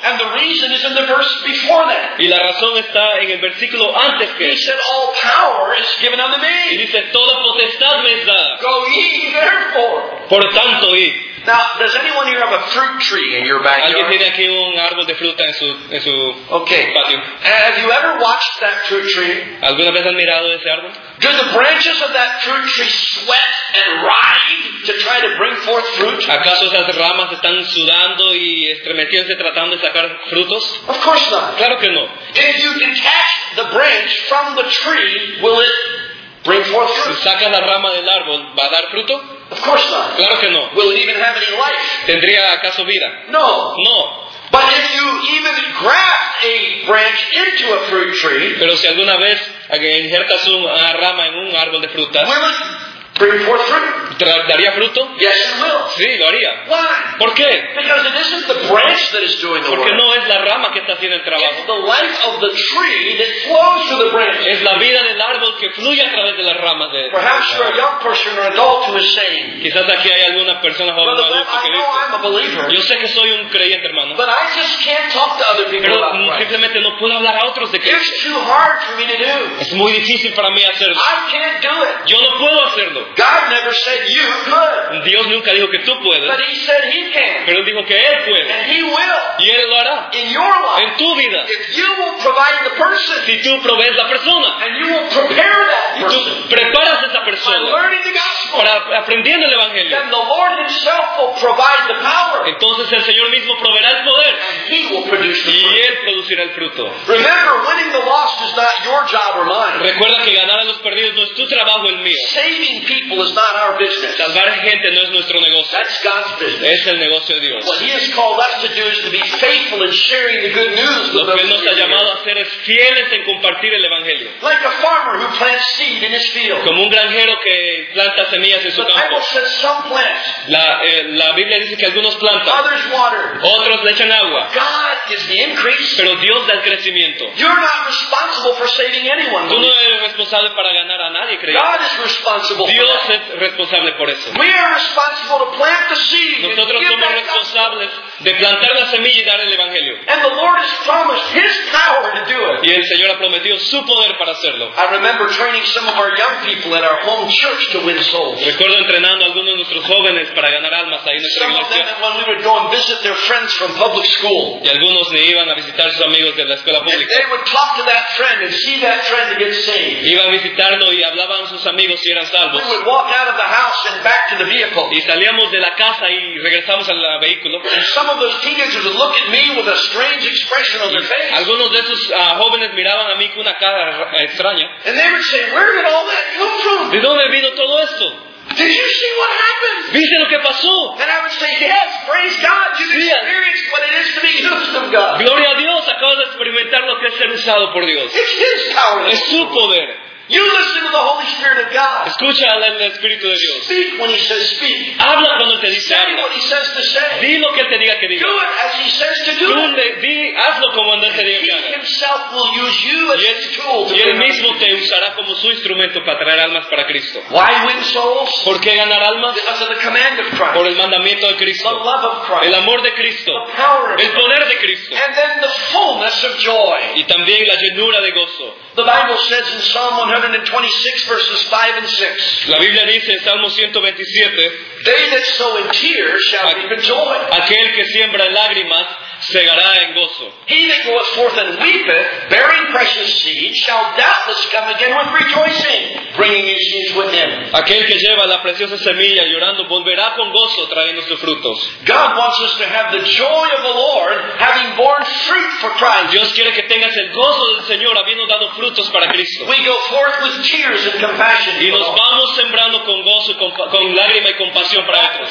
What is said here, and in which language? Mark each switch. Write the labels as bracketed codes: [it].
[en] And the reason is in the verse before that. [es] Y la razón está en el versículo antes que. [en] He said, "All power is given unto me." [es] Y dice, toda potestad me es dada. [en] Go ye therefore. [es] Por tanto, id. [en] Now, does anyone here have a fruit tree in your backyard? [es] ¿Alguien tiene aquí un árbol de fruta en su [en] okay. [es] patio? [en] Have you ever watched that fruit tree? [es] ¿Alguna vez has mirado ese árbol? [en] Do the branches of that fruit tree sweat and writhe to try to bring forth fruit? [es] ¿Acaso esas ramas están sudando y estremeciéndose tratando de sacar frutos? [en] Of course not. [es] Claro que no. [en] If you detach the branch from the tree, will it bring forth fruit? [es] Si sacas la rama del árbol, ¿va a dar fruto? [en] Of course not. [es] Claro que no. [en] Will it even have any life? [es] ¿Tendría acaso vida? [en] No. [es] No. [en] But if you even graft a branch into a fruit tree, [es] pero si alguna vez injertas una rama en un árbol de fruta, [en] will it bring forth fruit? [es] ¿Daría fruto? [en] Yes, it will. [es] Sí, lo haría. [en] Why? [es] ¿Por qué? [en] Because it isn't the branch that is doing the [es] porque [en] work. [es] Porque no es la rama que está haciendo el trabajo. [en] It's the life of the tree that flows through the branch. [es] Es la vida del árbol que fluye a través de las ramas de. [en] Perhaps for a young person or adult who is saying. [es] Quizás aquí hay alguna persona joven o adulto que dice, [en] I'm a believer. [es] Yo sé que soy un creyente, hermano. [en] But I just can't talk to other people [es] pero [en] about Christ. [es] Simplemente no puedo hablar a otros de [en] Cristo. It's too hard for me to do. [es] Es muy difícil para mí hacerlo. [en] I can't do it. [es] Yo no puedo hacerlo. [en] God never said you could. [es] Dios nunca dijo que tú puedes. [en] But he said he can. [es] Pero él dijo que él puede. [en] And he will. [es] Y él lo hará. [en] In your life. [es] En tu vida. [en] If you will provide the person. [es] Si tú provees la persona. [en] And you will prepare that person. [es] Y tú preparas esa persona. [en] By learning the gospel. [es] Para aprendiendo el evangelio. [en] Then the Lord himself will provide the power. [es] Entonces el Señor mismo proveerá el poder. [en] And he will produce the fruit. [es] Y él producirá el fruto. [en] Remember, winning the lost is not your job or mine. [es] Recuerda que ganar a los perdidos no es tu trabajo, el mío. [en] Saving people is not our business. [es] Salvar gente no es nuestro negocio. [en] That's God's business. [es] Es el negocio de Dios. [en] What he has called us to do is to be faithful in sharing the good news. [es] Lo que nos ha llamado a hacer es fieles en compartir el evangelio. [en] Like a farmer who plants seed in his field. [es] Como un granjero que planta semillas en su campo. [en] The Bible says some plant. [es] La Biblia dice que algunos plantan. [en] Others water. [es] Otros le echan agua. [en] God is the increase. [es] Pero Dios da el crecimiento. [en] You're not responsible for saving anyone. [es] Tú no eres responsable para ganar a nadie, creo. [en] God is responsible. [es] Dios es responsable por eso. [en] We are responsible to plant the seed. [es] Nosotros somos responsables de plantar la semilla y dar el evangelio. [en] And the Lord has promised His power to do it. [es] Y el Señor ha prometido su poder para hacerlo. [en] I remember training some of our young people at our home church to win souls. [es] Recuerdo entrenando a algunos de nuestros jóvenes para ganar almas ahí en nuestra iglesia. [en] Some of them, when we would go and visit their friends from public school. [es] Y algunos le iban a visitar sus amigos de la escuela pública. [en] They would talk to that friend and see that friend to get saved. [es] Iban a visitarlo y hablaban sus amigos y eran salvos. [en] We would walk out of the house and back to the vehicle. [es] Y salíamos de la casa y regresamos al vehículo. [en] Some of those teenagers would look at me with a strange expression on their face. [es] Algunos de esos jóvenes miraban a mí con una cara extraña. [en] And they would say, "Where did all that come from?" [es] ¿De dónde vino todo esto? [en] Did you see what happened? [es] ¿Viste lo que pasó? [en] And I would say, "Yes, praise God, you've experienced what it is to be used of God." [es] Gloria a Dios, acabas de experimentar lo que es ser usado por Dios. [en] It's His power. [es] Es su poder. [en] You listen to the Holy Spirit of God. [es] Escucha al Espíritu de Dios. [en] Speak when He says speak. [es] Habla cuando te dice. [en] Say what He says to say. [es] Di lo que él te diga que diga. [en] Do it as He says to do it. [es] Hazlo como él te diga que haga. [en] He Himself will use you as His tool. [es] Y él mismo te usará como su instrumento para traer almas para Cristo. [en] Why win souls? [es] ¿Por qué ganar almas? [en] Because of the command of Christ. [es] Por el mandamiento de Cristo. [en] The love of Christ. [es] El amor de Cristo. [en] The power of Christ. [es] El poder de Cristo. [en] And then the fullness of joy. [es] Y también la llenura de gozo. [en] The Bible says in Psalm 126 verses 5 and 6. [es] La Biblia dice en Salmo 127. [en] They that sow in tears shall reap in joy. [es] Aquel que siembra lágrimas segará en gozo. [en] He that goeth forth and weepeth, bearing precious seed, shall doubtless come again with rejoicing, bringing his seeds with him. [es] Aquel que lleva la preciosa semilla llorando volverá con gozo trayendo sus frutos. [en] God wants us to have the joy of the Lord, having borne fruit for Christ. [es] Dios quiere que tengas el gozo del Señor habiendo dado frutos para Cristo. [en] We go forth with tears and compassion. [es] Y nos vamos sembrando con gozo, con lágrima y compasión para otros.